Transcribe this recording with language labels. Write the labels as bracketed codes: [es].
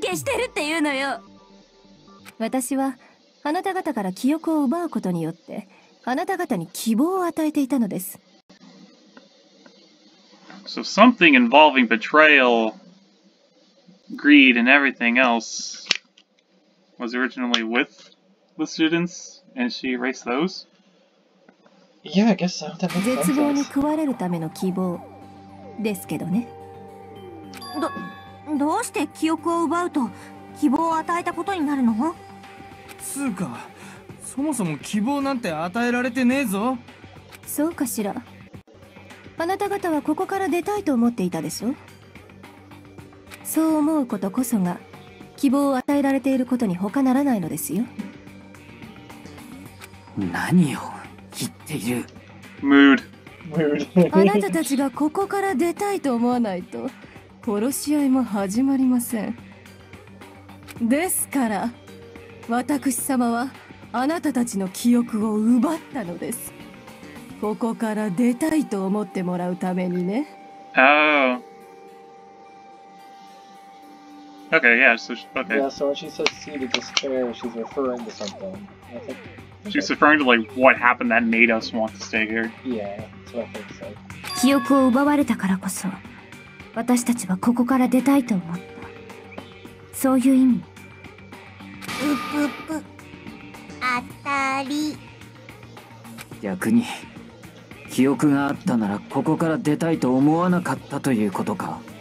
[ja] 係してるっていうのよ。私はあなた方から記憶を奪うことによって、あなた方に希望を与えていたのです。 [en] So something involving betrayal, greed, and everything else was originally with the students, and she erased those? Yeah, I guess so. [ja] 絶望に食われるための希望ですけどね。どうして記憶を奪うと希望を与えたことになるの？つうか、そもそも希望なんて与えられてねえぞ。そうかしら。あなた方はここから出たいと思っていたでしょ。そう思うことこそが希望を与えられていることに他ならないのですよ。何を言っている。ムード。あなたたちがここから出たいと思わないと殺し合いも始まりません。ですから私様はあなたたちの記憶を奪ったのです。ここから出たいと思ってもらうためにね。 [en] Oh. Okay, yeah, so she, okay. Yeah, so when she says see the despair, she's referring to something. She's referring to like what happened that made us want to stay here. Yeah, that's what I think so. [ja] 記憶を奪われたからこそ、私たちはここから出たいと思った。そういう意味。あたり。逆に記憶があったならここから出たいと思わなかったということか。